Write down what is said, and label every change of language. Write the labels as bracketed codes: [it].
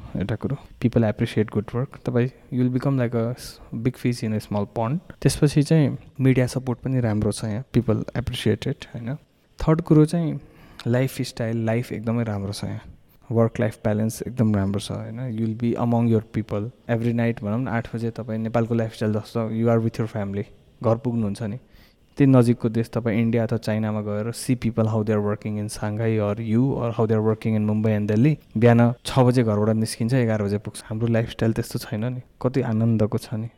[ne] एउटा कुरो, [en] People appreciate good work. तपाईँ you will become like a big fish in a small pond. [ne] त्यसपछि चाहिँ मिडिया सपोर्ट पनि राम्रो छ यहाँ, [en] people appreciated [ne] होइन. थर्ड कुरो चाहिँ लाइफ स्टाइल, लाइफ एकदमै राम्रो छ यहाँ. वर्क लाइफ ब्यालेन्स एकदम राम्रो छ होइन. [en] You will be among your people every night. [ne] भनौँ न 8 बजे तपाईँ नेपालको लाइफ स्टाइल जस्तो [en] you're with your family [ne] घर पुग्नुहुन्छ नि. त्यही नजिकको देश तपाईँ इन्डिया अथवा चाइनामा गएर [en] See people how they're working in Shanghai or you are how they're working in Mumbai and Delhi. [ne] बिहान 6 बजे घरबाट निस्किन्छ, 11 बजे पुग्छ. हाम्रो लाइफ स्टाइल त्यस्तो छैन नि, कति आनन्दको छ नि.